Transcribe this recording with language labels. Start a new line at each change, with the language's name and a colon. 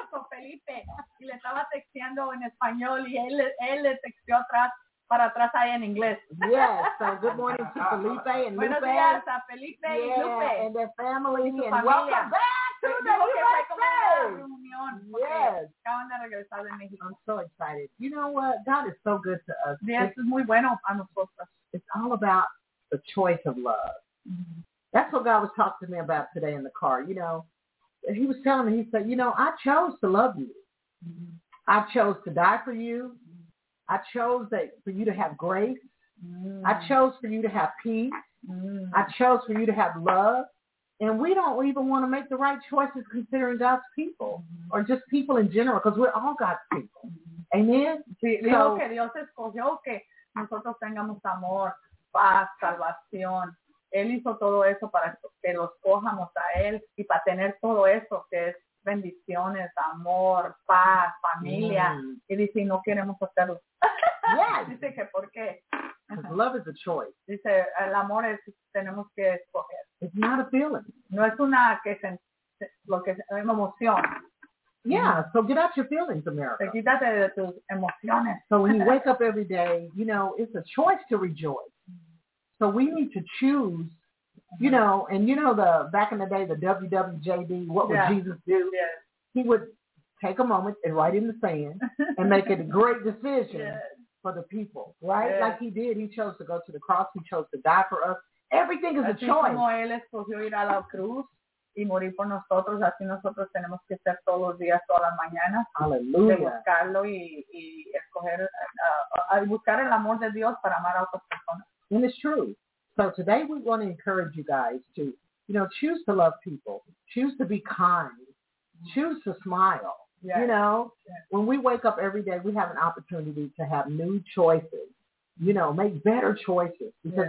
Spanish: Felipe, y le estaba texteando en español y él le texteó atrás. Para atrás ahí en inglés.
English: Yes, so good morning to Felipe and Lupe.
Spanish: Buenos días a Felipe y Lupe.
English: Yeah, and their family.
Spanish: Y
English: and welcome back to the USA. Yes.
Spanish: Acaban de regresar de México.
English: I'm so excited. You know what? God is so good to us. Yes,
Spanish: es muy bueno a nosotros.
English: It's all about the choice of love. That's what God was talking to me about today in the car. You know, he was telling me, he said, you know, I chose to love you. Mm-hmm. I chose to die for you. I chose that for you to have grace. Mm. I chose for you to have peace. Mm. I chose for you to have love. And we don't even want to make the right choices considering God's people mm. or just people in general because we're all God's people. Mm. Amen?
Spanish: Sí, dijo que Dios escogió que nosotros tengamos amor, paz, salvación. Él hizo todo eso para que los cojamos a Él y para tener todo eso que es bendiciones, amor, paz, familia. Mm. Y dice, no queremos hacerlo.
English: Yes.
Spanish: Dice que por qué.
English: Love is a choice.
Spanish: Dice, el amor es, tenemos que escoger.
English: It's not a feeling.
Spanish: No es una que se, lo que es una emoción.
English: Yeah, so get out your feelings, America.
Spanish: Quítate de tus emociones.
English: So when you wake up every day, you know, it's a choice to rejoice. So we need to choose. You know, and you know the back in the day, the WWJD, what would yeah. Jesus do? Yes. He would take a moment and write in the sand and make a great decision yes. for the people, right? Yes. Like he did. He chose to go to the cross. He chose to die for us. Everything is
Spanish: así
English: a choice.
Spanish: Como él escogió ir a la cruz y morir por nosotros, así nosotros tenemos que ser todos los días, todas las mañanas. Aleluya. De buscarlo y escoger, buscar el amor de Dios para amar a otras personas.
English: And it's true. So today we want to encourage you guys to, you know, choose to love people, choose to be kind, choose to smile, yes. you know. Yes. When we wake up every day, we have an opportunity to have new choices, you know, make better choices because